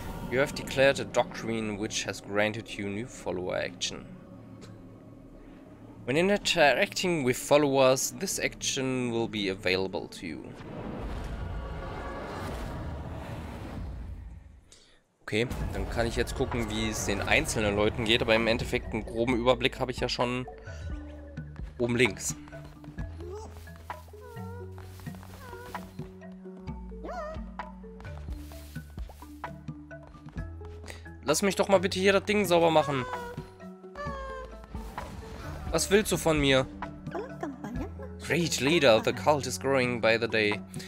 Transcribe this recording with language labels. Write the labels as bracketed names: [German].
[English] You have declared a doctrine which has granted you new follower action. When interacting with followers, this action will be available to you. [German] Okay, dann kann ich jetzt gucken, wie es den einzelnen Leuten geht. Aber im Endeffekt einen groben Überblick habe ich ja schon oben links. Lass mich doch mal bitte hier das Ding sauber machen. Was willst du von mir? [English] Great leader, the cult is growing by the day.